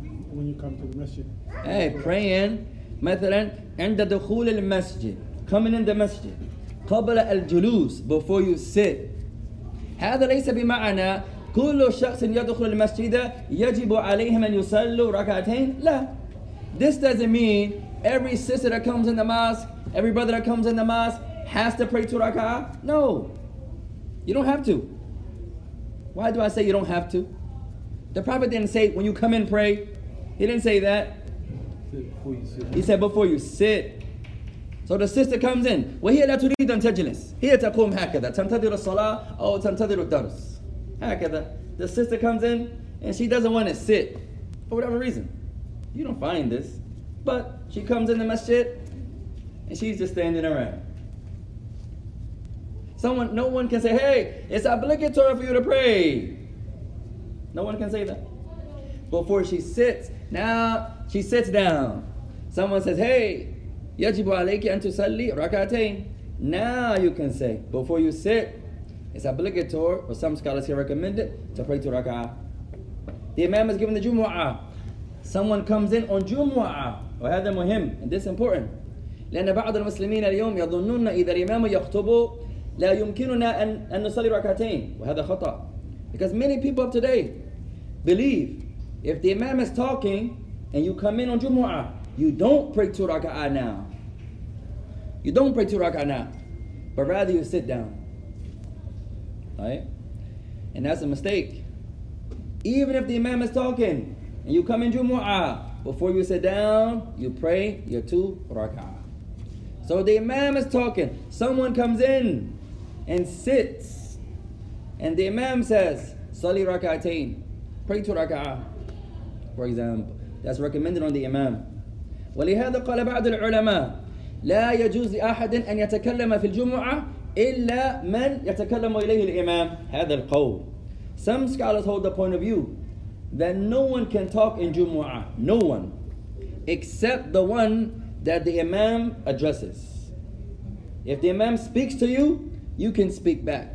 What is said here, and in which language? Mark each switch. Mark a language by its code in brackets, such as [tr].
[en] Praying when you come to the masjid. Hey, praying, [ar] مثلا, عند دخول المسجد, [en] coming in the masjid, [ar] قبل الجلوس, [en] before you sit. [ar] هذا ليس بمعنى كل شخص يدخل المسجد يجب عليهم أن يصلوا ركعتين. لا. [en] This doesn't mean every sister that comes in the mosque, every brother that comes in the mosque, has to pray two rak'ah? No. You don't have to. Why do I say you don't have to? The Prophet didn't say, when you come in, pray. He didn't say that. He said, before you sit. So the sister comes in. [ar] وَهِيَ لَا تُرِيدًا تَجْلِسْ هِيَ تَقُومْ هَكَذَا تَنْتَذِرُ الصَّلَاةِ أَوْ تَنْتَذِرُ الدَّرْسِ هَكَذَا. [en] The sister comes in, and she doesn't want to sit, for whatever reason. You don't find this. But she comes in the masjid, and she's just standing around. No one can say, hey, it's obligatory for you to pray. No one can say that. Before she sits, now she sits down. Someone says, hey, [ar] يجب عليك أن تصلي ركعتين. [en] Now you can say, before you sit, it's obligatory, or some scholars here recommend it, to pray to rak'ah. The imam is giving the Jumu'ah. Someone comes in on Jumu'ah, or have them with him, and this is important. [ar] لأن بعض المسلمين اليوم يظنون إذا الإمام يخطب لا يمكننا أن نصلي ركعتين وهذا خطأ. [en] Because many people of today believe if the imam is talking and you come in on Jumu'ah, you don't pray two rak'ah now. You don't pray two rak'ah now, but rather you sit down. Right? And that's a mistake. Even if the imam is talking and you come in Jumu'ah, before you sit down, you pray your two rak'ah. So the imam is talking, someone comes in and sits, and the imam says, [ar] "Sali raka'atain, [en] pray two raka'ah." For example, that's recommended on the imam. [ar] ولهذا قال بعض العلماء لا يجوز لأحد أن يتكلم في الجمعة إلا من يتكلم إليه الإمام. هذا القول. [en] Some scholars hold the point of view that no one can talk in Jumu'ah, no one, except the one that the imam addresses. If the imam speaks to you, you can speak back.